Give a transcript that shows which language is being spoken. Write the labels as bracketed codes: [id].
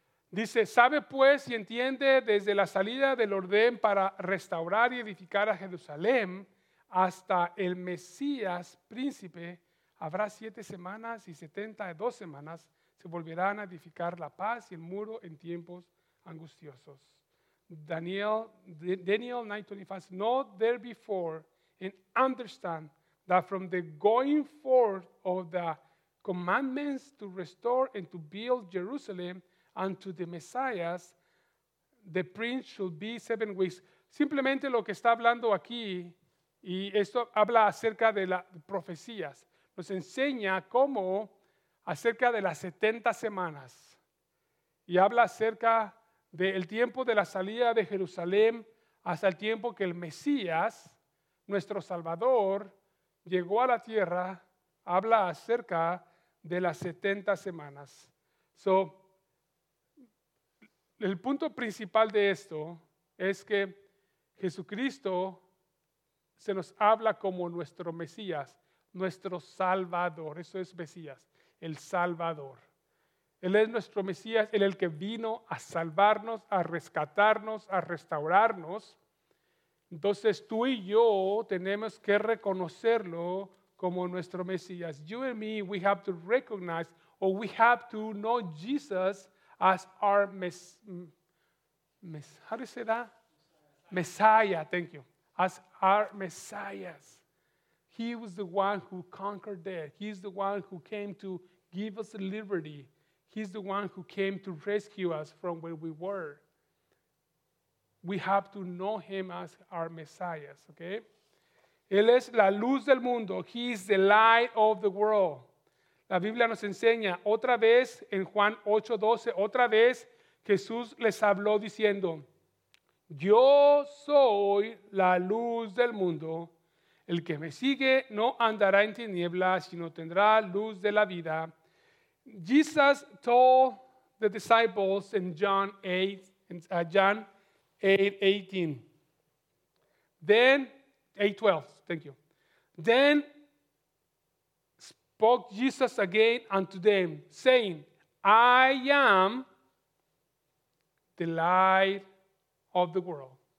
[es] Dice, sabe pues y entiende desde la salida del orden para restaurar y edificar a Jerusalén hasta el Mesías príncipe, habrá 7 semanas y 72 semanas se volverán a edificar la paz y el muro en tiempos angustiosos. [en] Daniel 9:25, know therefore and understand that from the going forth of the commandments to restore and to build Jerusalem unto the Messiah, the prince shall be 7 weeks. [es] Simplemente lo que está hablando aquí, y esto habla acerca de las profecías, nos enseña cómo acerca de las 70 semanas y habla acerca del tiempo de la salida de Jerusalén hasta el tiempo que el Mesías, nuestro Salvador, llegó a la tierra, habla acerca de las 70 semanas. So, el punto principal de esto es que Jesucristo se nos habla como nuestro Mesías, nuestro Salvador. Eso es Mesías, el Salvador. Él es nuestro Mesías, Él es el que vino a salvarnos, a rescatarnos, a restaurarnos. Entonces tú y yo tenemos que reconocerlo como nuestro Mesías. [en] You and me, we have to recognize, or we have to know Jesus as our how do you say that? Messiah, thank you. As our Messiah. He was the one who conquered death. He's the one who came to give us liberty. He's the one who came to rescue us from where we were. We have to know him as our Messiah, okay? [es] Él es la luz del mundo. [en] He is the light of the world. [es] La Biblia nos enseña otra vez en Juan 8:12, otra vez Jesús les habló diciendo, yo soy la luz del mundo. El que me sigue no andará en tinieblas, sino tendrá luz de la vida. [en] Jesus told the disciples in John 8:12, spoke Jesus again unto them, saying, I am the light of the world.